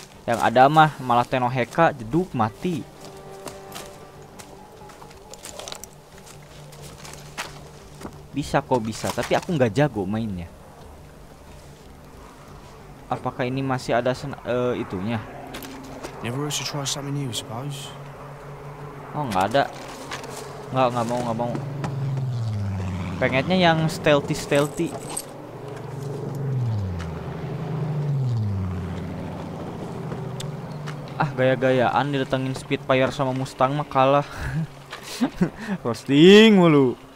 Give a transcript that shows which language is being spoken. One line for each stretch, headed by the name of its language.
Indonesian: Yang ada mah malah Tenoheka jeduk mati. Bisa kok bisa, tapi aku nggak jago mainnya. Apakah ini masih ada itunya?
English: Never hurts to try something new, suppose.
Indonesian: Oh, nggak ada. Nggak mau. Pengennya yang stealthy. Ah, gaya-gayaan didatengin Spitfire sama Mustang mah kalah. Roasting mulu.